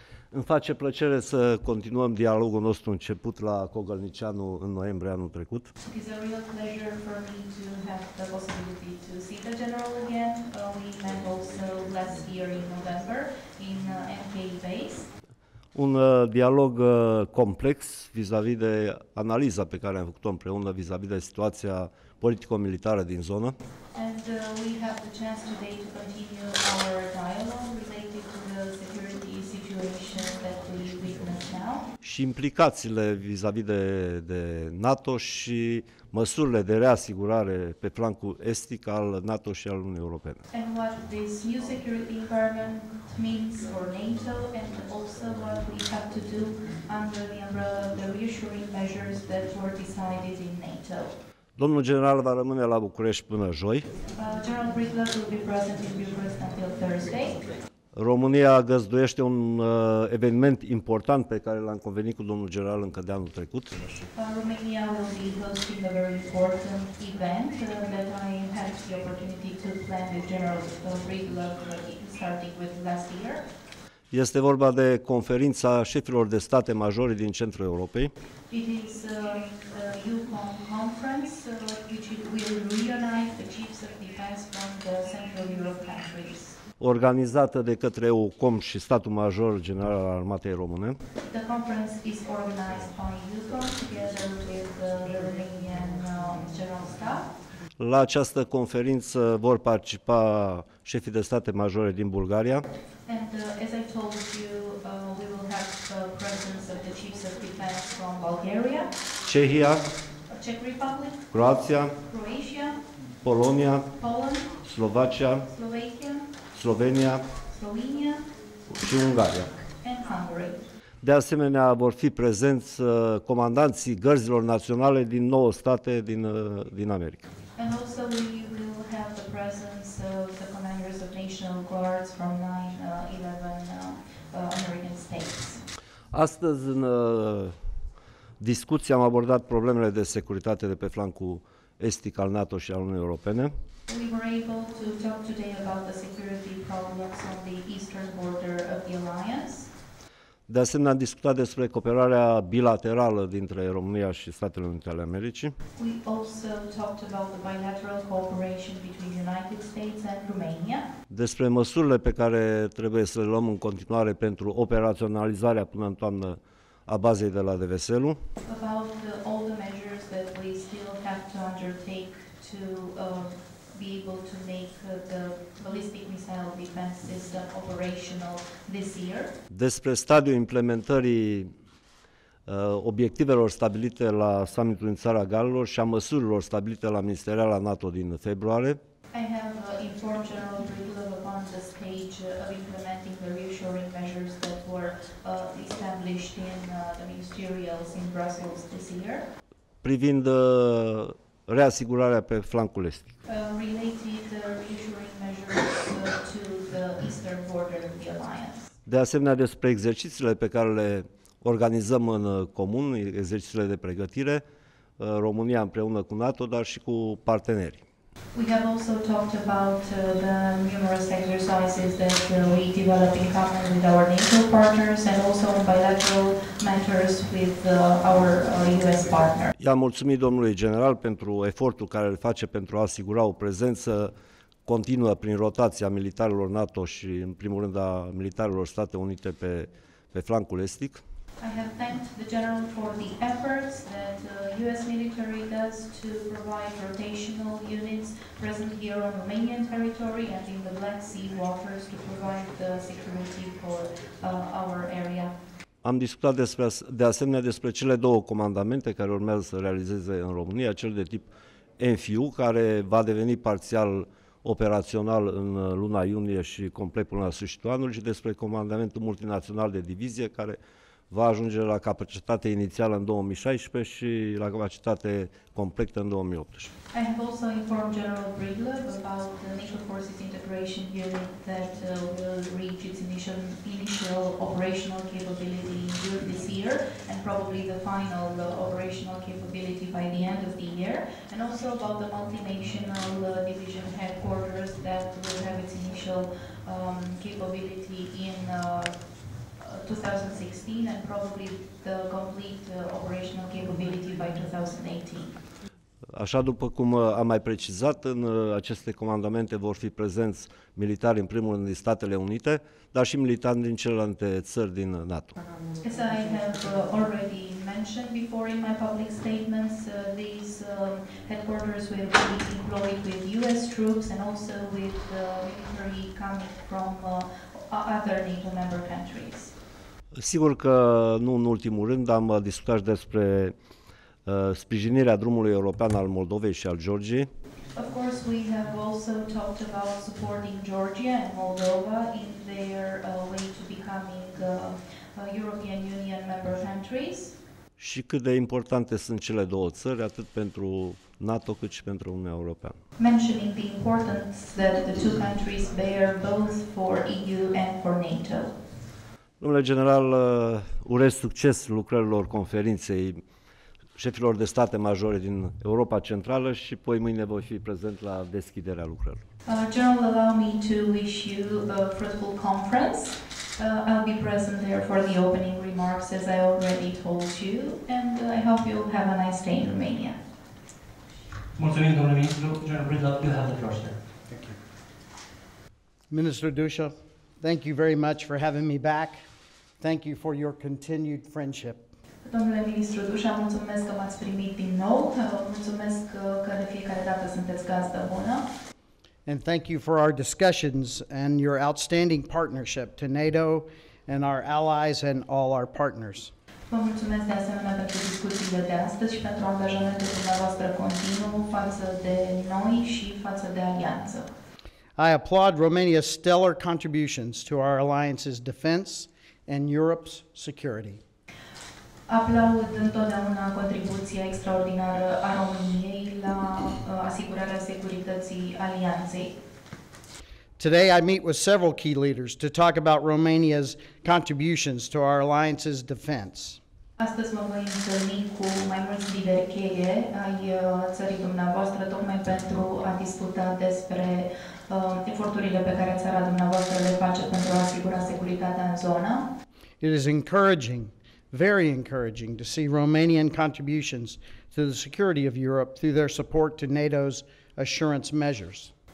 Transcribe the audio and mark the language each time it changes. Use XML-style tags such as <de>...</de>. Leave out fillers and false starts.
<ro>Îmi face plăcere să continuăm dialogul nostru început la Cogălnicianu în noiembrie anul trecut.</ro> <en>It's a real pleasure for me to have the possibility to see the general again. We met also last year in November in MK base.</en> <ro>Un dialog complex vis-a-vis de analiza pe care am făcut-o împreună vis-a-vis de situația politico-militară din zonă.</ro> <en>And we have the chance today to continue our dialogue related to the security situation that we witness now.</en> <ro>Și implicațiile vis-a-vis de NATO și măsurile de reasigurare pe flancul estic al NATO și al Uniunii Europene.</ro> <en>And what this new security environment means for NATO and also what we have to do under the umbrella of the reassuring measures that were decided in NATO.</en> <ro>Domnul general va rămâne la București până joi.</ro> <en>General Britlov will be present in Bucharest until Thursday.</en> <ro>România găzduiește un eveniment important pe care l-am convenit cu domnul general încă de anul trecut.</ro> <en>România will be hosting a very important event that I had the opportunity to plan with General Britlov starting with last year.</en> <ro>Este vorba de conferința șefilor de state majori din centrul Europei.</ro> <en>It is a UCOM conference which will reunite the chiefs of defense from the Central Europe countries.</en> <ro>Organizată de către UCOM și statul major general al Armatei Române.</ro> <en>The conference is organized by UCOM together with the Romanian general staff.</en> <ro>La această conferință vor participa șefii de state majore din Bulgaria.</ro> <en>And as I told you, we will have the presence of the chiefs of defense from Bulgaria,</en> <ro>Cehia,</ro> <en>Czech Republic,</en> <ro>Croația,</ro> <en>Croatia,</en> <ro>Polonia,</ro> <en>Poland,</en> <ro>Slovacia,</ro> <en>Slovakia,</en> <ro>Slovenia,</ro> <en>Slovenia</en> <ro>și Ungaria.</ro> <en>And Hungary.</en> <ro>De asemenea, vor fi prezenți comandanții gărzilor naționale din 9 state din America.</ro> <en>And also we will have the presence of the commanders of national guards from 9-11 American states.</en> <ro>Astăzi în discuție am abordat problemele de securitate de pe flancul estic al NATO și al Uniunii Europene.</ro> <en>We were able to talk today about the security problems on the eastern border of the alliance.</en> <ro>De asemenea, am discutat despre cooperarea bilaterală dintre România și Statele Unite ale Americii.</ro> <en>We also talked about the bilateral cooperation between the United States and Romania.</en> <ro>Despre măsurile pe care trebuie să le luăm în continuare pentru operaționalizarea până în toamnă a bazei de la Deveselu.</ro> <en>About all the measures that we still have to undertake to be able to make the ballistic missile defense system operational this year.</en> <ro>Despre stadiul implementării obiectivelor stabilite la summitul în Țara Galilor și a măsurilor stabilite la ministerial la NATO din februarie.</ro> <en>I have informed General Brigulov upon the stage of implementing the reassuring measures that were established in the ministerials in Brussels this year.</en> <ro>Privind reasigurarea pe flancul estic.</ro> <en>Related reassuring measures to the eastern border of the alliance.</en> <ro>De asemenea, despre exercițiile pe care le organizăm în comun, exercițiile de pregătire, România împreună cu NATO, dar și cu partenerii.</ro> <en>We have also talked about the numerous exercises that we develop in common with our NATO partners and also bilateral matters with our US partner.</en> <ro>I-am mulțumit domnului general pentru efortul care îl face pentru a asigura o prezență continuă prin rotația militarilor NATO și în primul rând a militarilor Statele Unite pe flancul estic.</ro> <en>I have thanked the general for the efforts that the US military does to provide rotational units present here on Romanian territory and in the Black Sea waters to provide the security for our area.</en> <ro>Am discutat de asemenea despre cele două comandamente care urmează să realizeze în România, cel de tip NFU, care va deveni parțial operațional în luna iunie și complet până la sfârșitul anului, și despre comandamentul multinațional de divizie care va ajunge la capacitate inițială în 2016 și la capacitate completă în 2018.</ro> <en>I have also informed General Brigulov about the NATO Forces Integration Unit that will reach its initial operational capability in June this year and probably the final operational capability by the end of the year, and also about the multinational division headquarters that will have its initial capability in 2016 and probably the complete operational capability by 2018.</en> <ro>Așa după cum am mai precizat, în aceste comandamente vor fi prezenți militari în primul rând din Statele Unite, dar și militari din celelalte țări din NATO.</ro> <en>As I have already mentioned before in my public statements, these headquarters will be deployed with US troops and also with military coming from other NATO member countries.</en> <ro>Sigur că nu în ultimul rând am discutat despre sprijinirea drumului european al Moldovei și al Georgiei.</ro> <en>Of course we have also talked about supporting Georgia and Moldova in their way to becoming European Union member countries.</en> <ro>Și cât de importante sunt cele două țări, atât pentru NATO cât și pentru Uniunea Europeană.</ro> <en>Mentioning the importance that the two countries bear both for EU and for NATO.</en> <ro>Domnule general, urez succes lucrărilor conferinței șefilor de state majore din Europa Centrală și poi mâine voi fi prezent la deschiderea lucrărilor.</ro> <en>General, allow me to wish you a fruitful conference. I'll be present there for the opening remarks, as I already told you, and I hope you'll have a nice day in Romania.</en> <ro>Mulțumim, domnule ministru.</ro> <en>General Brigulov, you have the floor, sir. Thank you. Minister Dușa, thank you very much for having me back. Thank you for your continued friendship.</en> <ro>Domnule ministru Dușa, mulțumesc că m-ați primit din nou. Mulțumesc că de fiecare dată sunteți gazdă bună.</ro> <en>And thank you for our discussions and your outstanding partnership to NATO and our allies and all our partners.</en> <ro>Vă mulțumesc de asemenea pentru discuțiile de astăzi și pentru angajamentul dumneavoastră continuu față de noi și față de alianță.</ro> <en>I applaud Romania's stellar contributions to our alliance's defense and Europe's security.</en> <ro>Aplaud întotdeauna contribuția extraordinară a României la asigurarea securității alianței.</ro> <en>Today I meet with several key leaders to talk about Romania's contributions to our alliance's defense.</en> <ro>Astăzi mă voi întâlni cu mai mulți lideri cheie ai țării dumneavoastră tocmai pentru a discuta despre eforturile pe care țara dumneavoastră le face pentru a asigura securitatea în zonă.</ro> <en>It is encouraging, very encouraging, to see Romanian contributions to the security of Europe through their support to NATO's assurance measures.</en>